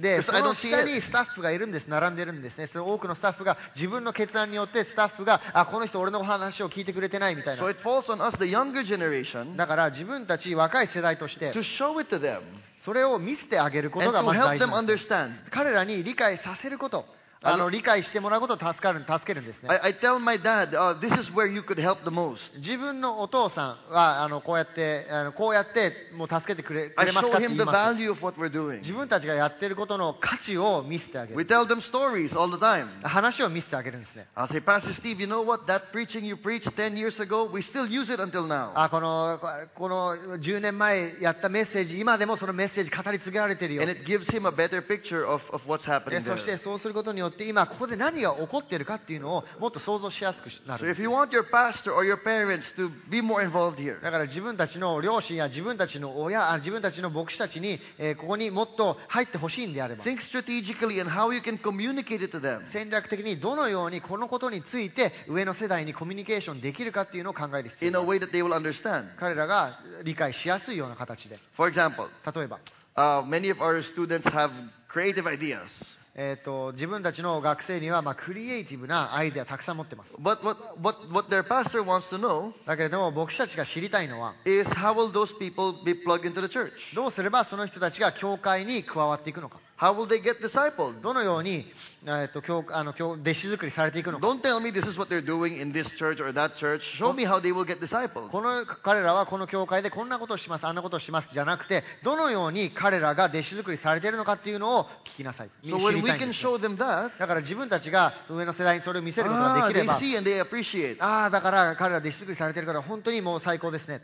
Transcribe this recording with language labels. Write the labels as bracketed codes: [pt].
[ja] で、その下にスタッフがいるんです、並んでるんですね。その多くのスタッフが自分の決断によってスタッフが、あ、この人俺の話を聞いてくれてないみたいな。 [en] So it falls on us, the younger generation, [ja] だから自分たち若い世代として、 [en] to show it to them, [ja] それを見せてあげることが大事なんです。 [en] And to help them understand, [ja] 彼らに理解させること。あの理解してもらうことを助けるんですね。 [en] I tell my dad, this is where you could help the most. [ja] 自分のお父さんはあのこうやってあのこうやってもう助けてくれますかって言います。自分たちがやってることの価値を見せてあげる。 [en] We tell them stories all the time. [ja] 話を見せてあげるんですね。 [en] I say, Pastor Steve, you know what? That preaching you preached 10 years ago, we still use it until now. [ja] この10年前やったメッセージ、今でもそのメッセージ語り継げられてるよ。 [en] And it gives him a better picture of what's happening there. [ja] そしてそうすることに今ここで何が起こっているかっていうのをもっと想像しやすくなる。 [en] So if you want your pastor or your parents to be more involved here, [ja] だから自分たちの両親や自分たちの親、自分たちの牧師たちにここにもっと入ってほしいんであれば、 [en] think strategically and how you can communicate it to them. [ja] 戦略的にどのようにこのことについて上の世代にコミュニケーションできるかっていうのを考える必要。 [en] In a way that they will understand. [ja] 彼らが理解しやすいような形で。 [en] For example, [ja] 例えば、 [en] many of our students have creative ideas. [ja] 自分たちの学生には、まあ、クリエイティブなアイデアたくさん持ってます。 [en] But what their pastor wants to know, [ja] だけれども牧師たちが知りたいのは、 [en] is how will those people be plugged into the church? [ja] どうすればその人たちが教会に加わっていくのか。 [en] How will they get discipled? [ja] どのように、弟子作りされていくのか。 [en] Don't tell me this is what they're doing in this church or that church. Show me how they will get discipled. [ja] この彼らはこの教会でこんなことをします、あんなことをしますじゃなくて、どのように彼らが弟子作りされているのかっていうのを聞きなさい。 [en] So when we can show them that, [ja] だから自分たちが上の世代にそれを見せることができれば、 [en] they see and they appreciate. [ja] ああ、だから彼ら弟子作りされているから本当にもう最高ですね。